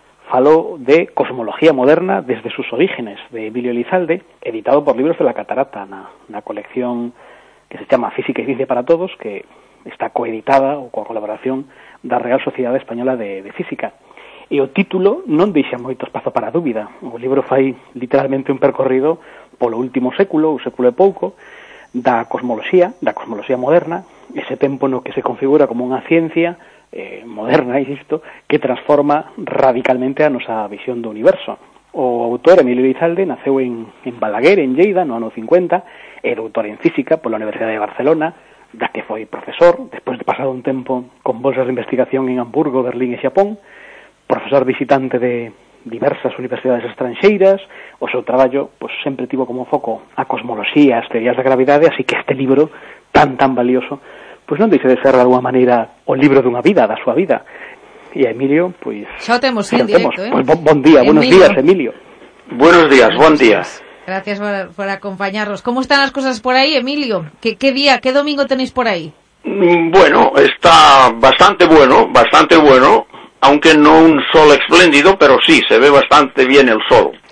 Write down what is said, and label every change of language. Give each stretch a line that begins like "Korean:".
Galician: Falo de Cosmología Moderna desde sus orígenes, de Emilio Elizalde, editado por Libros de la Catarata, na colección que se chama Física y Ciencia para Todos, que está coeditada ou coa colaboración da Real Sociedade Española de Física. E o título non deixa moito espazo para dúbida. O libro fai literalmente un percorrido polo último século, o século e pouco, da cosmoloxía moderna, ese tempo no que se configura como unha ciencia moderna, insisto, que transforma radicalmente a nosa visión do universo. O autor, Emilio Elizalde, naceu en Balaguer, en Lleida, no ano 50, é doutor en física pola Universidade de Barcelona, da que foi profesor, despois de pasado un tempo con bolsas de investigación en Hamburgo, Berlín e Xapón, profesor visitante de diversas universidades estranxeiras. O seu traballo pues, sempre tivo como foco a cosmoloxía, as teorías da gravidade, así que este libro tan valioso pues, non deixe de ser de alguna maneira o libro dunha vida, da súa vida. E a Emilio, pois... Xa o temos en directo, ¿eh? Pues, bon día, buenos días, Emilio.
Spanish: Buenos días, bon día.
Galician: Gracias por acompañarnos. Como están as cosas por aí, Emilio? Que día, que domingo tenéis por aí?
Spanish: Bueno, está bastante bueno, bastante bueno. Aunque no un sol espléndido, pero sí, se ve bastante bien el sol.